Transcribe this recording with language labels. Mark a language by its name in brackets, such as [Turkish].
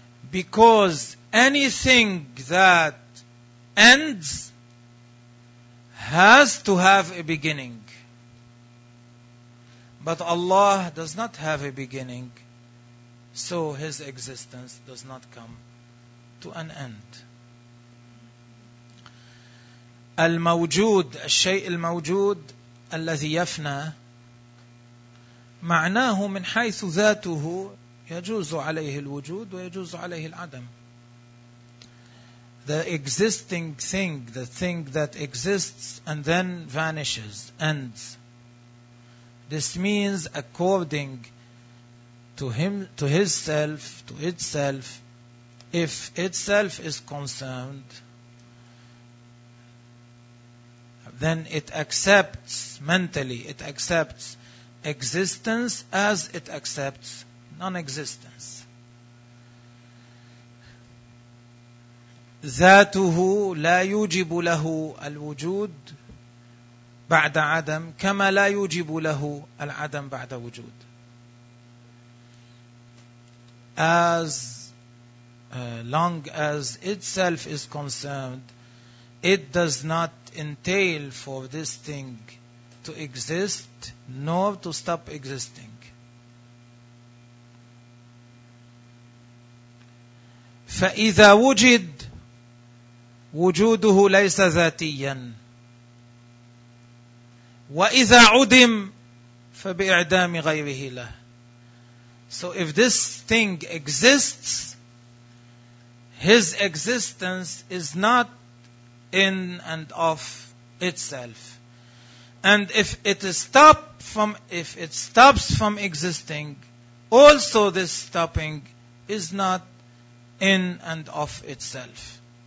[English] Because anything that ends has to have a beginning. But Allah does not have a beginning, so His existence does not come to an end. [Arabic] الموجود, الشيء الموجود الذي يفنى, معناه من حيث ذاته يجوز عليه الوجود ويجوز عليه العدم. [English] The existing thing, the thing that exists and then vanishes, ends. This means according to him, to himself, to itself, if itself is concerned, then it accepts mentally, it accepts existence as it accepts non-existence. [Arabic] ذاته لا يوجب له الوجود بعد عدم كما لا يوجب له العدم بعد وجود. [English] As long as itself is concerned, it does not entail for this thing to exist nor to stop existing. [Arabic] فإذا وجد وجوده ليس ذاتيا، وإذا عدم فبإعدام غيره له. [English] So if this thing exists, his existence is not in and of itself. And if it is stops from existing, also this stopping is not in and of itself.